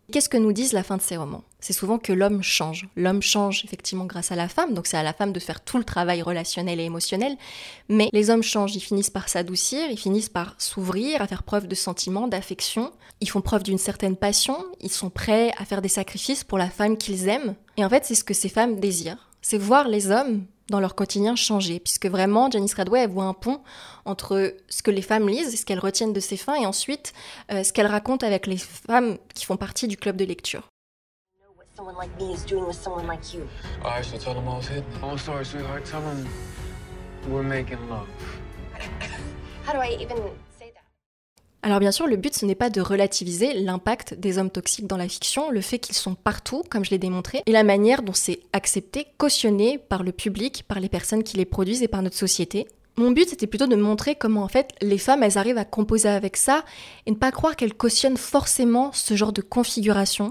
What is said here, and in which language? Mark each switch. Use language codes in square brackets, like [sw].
[fr] Qu'est-ce que nous disent la fin de ces romans? C'est souvent que l'homme change. L'homme change effectivement grâce à la femme, donc c'est à la femme de faire tout le travail relationnel et émotionnel, mais les hommes changent, ils finissent par s'adoucir, ils finissent par s'ouvrir, à faire preuve de sentiments, d'affection, ils font preuve d'une certaine passion, ils sont prêts à faire des sacrifices pour la femme qu'ils aiment. Et en fait, c'est ce que ces femmes désirent, c'est voir les hommes dans leur quotidien changer, puisque vraiment, Janice Radouet, elle voit un pont entre ce que les femmes lisent, ce qu'elles retiennent de ces fins, et ensuite, ce qu'elles racontent avec les femmes qui font partie du club de lecture. [en] Someone like me is doing with someone like you. I should tell them I was hitting. I'm sorry, sweetheart. Tell them we're making love. How do I even... [fr] Alors bien sûr, le but, ce n'est pas de relativiser l'impact des hommes toxiques dans la fiction, le fait qu'ils sont partout, comme je l'ai démontré, et la manière dont c'est accepté, cautionné par le public, par les personnes qui les produisent et par notre société. Mon but, c'était plutôt de montrer comment, en fait, les femmes, elles arrivent à composer avec ça et ne pas croire qu'elles cautionnent forcément ce genre de configuration.